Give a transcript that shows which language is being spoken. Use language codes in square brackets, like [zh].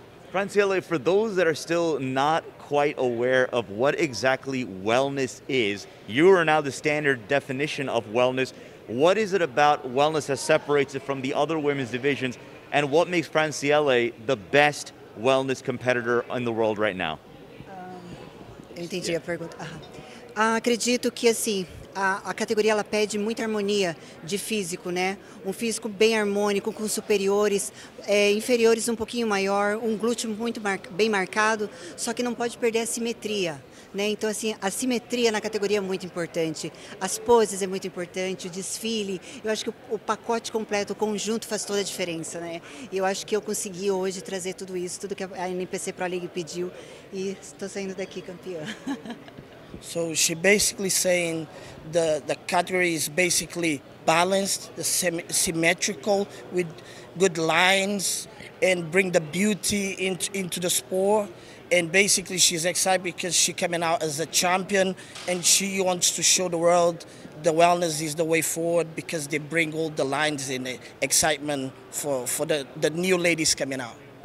[en] Franciele, for those that are still not quite aware of what exactly wellness is, you are now the standard definition of wellness. What is it about wellness that separates it from the other women's divisions, and what makes Franciele the best wellness competitor in the world right now? [pt] Entendi a pergunta. Acredito que assim, a categoria ela pede muita harmonia de físico, né? Um físico bem harmônico, com superiores, inferiores um pouquinho maior, um glúteo muito bem marcado, só que não pode perder a simetria. Né? Então, assim, a simetria na categoria é muito importante. As poses é muito importante, o desfile. Eu acho que o pacote completo, o conjunto faz toda a diferença. Né? E eu acho que eu consegui hoje trazer tudo isso, tudo que a NPC Pro League pediu. E estou saindo daqui campeã. [en] So she basically saying the category is basically balanced, symmetrical, with good lines, and bring the beauty into the sport. And basically she's excited because she's coming out as a champion, and she wants to show the world the wellness is the way forward, because they bring all the lines in the excitement for the new ladies coming out.